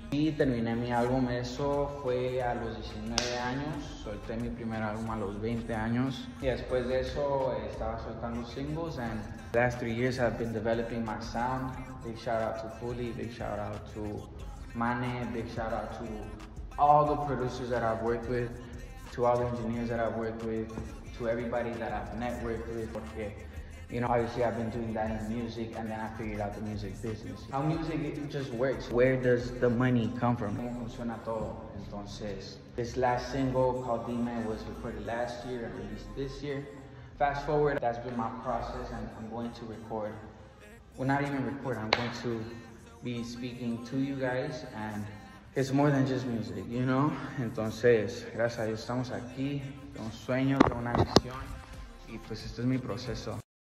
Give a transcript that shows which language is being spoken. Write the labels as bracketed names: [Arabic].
[Spanish] Y terminé mi álbum, eso fue a los 19 años. Solté mi primer álbum a los 20 años. Y después de eso, estaba soltando singles. [English] And the last 3 years I've been developing my sound. Big shout out to Fully, big shout out to Mane, big shout out to all the producers that I've worked with, to all the engineers that I've worked with, to everybody that I've networked with. Porque, you know, obviously I've been doing that in music, and then I figured out the music business. How music just works. Where does the money come from? [Spanish] ¿Cómo funciona todo? Entonces, [English] this last single called Dime was recorded last year and released this year. Fast forward, that's been my process, and I'm going to record. Well, not even record, I'm going to be speaking to you guys, and it's more than just music, you know? [Spanish] Entonces, gracias a Dios estamos aquí. Tengo un sueño, tengo una visión, y pues este es mi proceso.